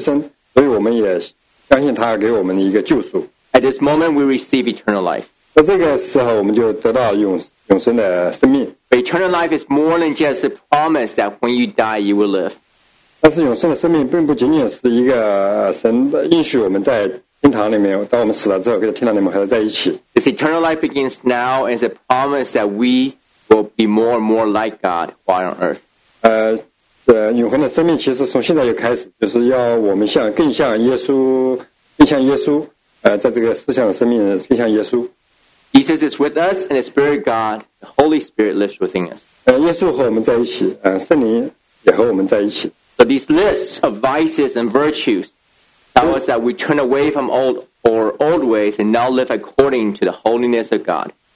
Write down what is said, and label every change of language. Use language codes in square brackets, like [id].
[zh] 我们相信耶稣为我们的罪的牺牲，所以我们也相信他给我们的一个救赎。 [en] At this moment, we receive eternal life. [zh] 在这个时候，我们就得到永生的生命。 [en] But eternal life is more than just a promise that when you die, you will live. [zh] 但是永生的生命并不仅仅是一个神的应许，我们在天堂里面，当我们死了之后，跟天堂里面还在一起。 [en] This eternal life begins now as a promise that we will be more and more like God while on earth. [zh] 永恒的生命其实从现在就开始，就是要我们像更像耶稣，在这个世上的生命更像耶稣。 [en] Jesus is with us, and the Spirit of God, the Holy Spirit, lives within us. [zh] 耶稣和我们在一起，圣灵也和我们在一起。 [en] So these lists of vices and virtues tell us that we turn away from old ways and now live according to the holiness of God.